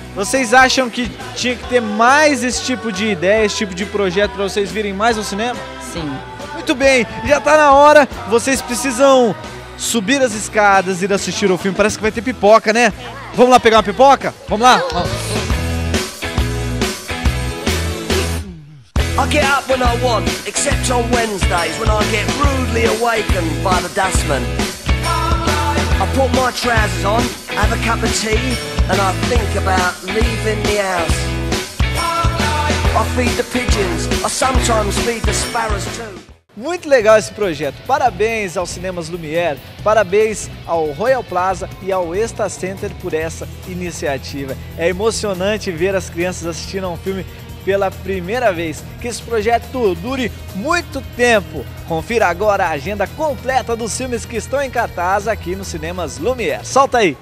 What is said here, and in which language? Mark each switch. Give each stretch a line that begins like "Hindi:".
Portuguese: Vocês acham que tinha que ter mais esse tipo de ideia, esse tipo de projeto para vocês virem mais no cinema? Sim. Muito bem, já tá na hora, vocês precisam subir as escadas e ir assistir o filme. Parece que vai ter pipoca, né? Vamos lá pegar uma pipoca? Vamos lá?
English: I get up when I want, except on Wednesdays when I get rudely awakened by the dustman. I put my trousers on, have a cup of tea, and I think about leaving the house. I feed the pigeons, I sometimes feed the sparrows too.
Portuguese: Muito legal esse projeto. Parabéns aos Cinemas Lumière, parabéns ao Royal Plaza e ao Star Center por essa iniciativa. É emocionante ver as crianças assistindo a um filme pela primeira vez. Que esse projeto dure muito tempo. Confira agora a agenda completa dos filmes que estão em cartaz aqui nos Cinemas Lumière. Solta aí!